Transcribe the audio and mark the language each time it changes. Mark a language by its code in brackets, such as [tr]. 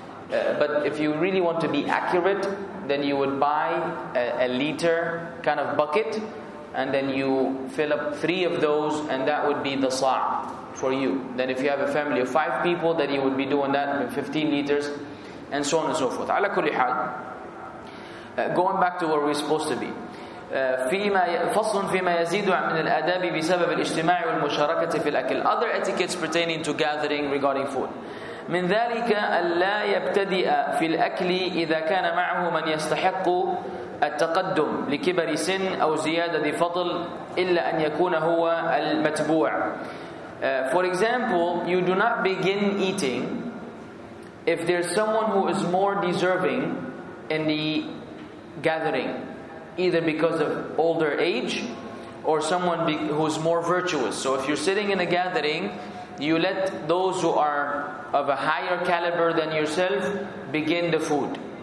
[en] But if you really want to be accurate, then you would buy a liter kind of bucket, and then you fill up 3 of those, and that would be the sa' for you. Then if you have a family of 5 people, then you would be doing that with 15 liters, and so on and so forth. Ala kulli hal, going back to where we're supposed to be. [ar] فصل فيما يزيد من الأداب بسبب الاجتماع والمشاركة في الأكل. [en] Other etiquettes pertaining to gathering regarding food. [ar] من ذلك ألا يبتدئ في الأكل إذا كان معه من يستحق التقدم لكبر سن أو زيادة فضل إلا أن يكون هو المتبوع. [en] For example, you do not begin eating if there's someone who is more deserving in the gathering, either because of older age or someone who's more virtuous. So if you're sitting in a gathering, you let those who are of a higher caliber than yourself begin the food.